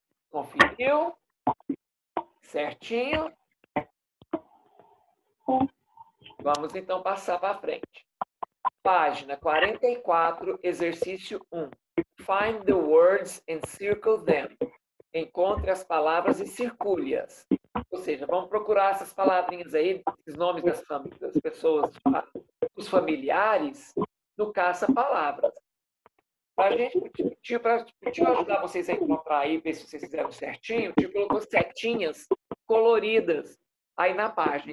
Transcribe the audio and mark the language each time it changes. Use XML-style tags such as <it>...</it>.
<pt>Conferiu? Certinho? Vamos então passar para frente. Página 44, exercício 1.</pt> <en>Find the words and circle them.</en> <pt>Encontre as palavras e circule-as. Ou seja, vamos procurar essas palavrinhas aí, os nomes das famílias, das pessoas, os familiares, no caça-palavras. Para a gente, para ajudar vocês a encontrar aí, ver se vocês fizeram certinho, o tio colocou setinhas coloridas aí na página.</pt>